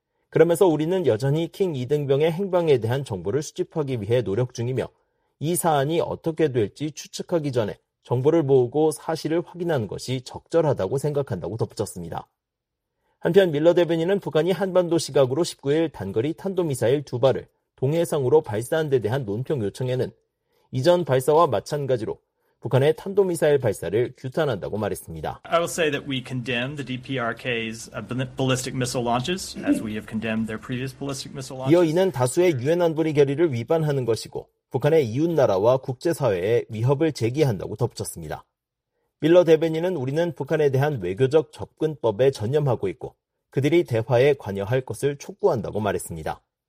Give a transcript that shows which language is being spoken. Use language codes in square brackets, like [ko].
[ko] 그러면서 우리는 여전히 킹 이등병의 행방에 대한 정보를 수집하기 위해 노력 중이며 이 사안이 어떻게 될지 추측하기 전에 정보를 모으고 사실을 확인하는 것이 적절하다고 생각한다고 덧붙였습니다. 한편 밀러 대변인은 북한이 한반도 시각으로 19일 단거리 탄도미사일 두 발을 동해상으로 발사한 데 대한 논평 요청에는 이전 발사와 마찬가지로 북한의 탄도미사일 발사를 규탄한다고 말했습니다. [en] I will say that we condemn the DPRK's ballistic missile launches as we have condemned their previous ballistic missile launches. [ko] 이어 이는 다수의 유엔 안보리 결의를 위반하는 것이고 북한의 이웃나라와 국제사회에 위협을 제기한다고 덧붙였습니다. 밀러 대변인은 우리는 북한에 대한 외교적 접근법에 전념하고 있고 그들이 대화에 관여할 것을 촉구한다고 말했습니다.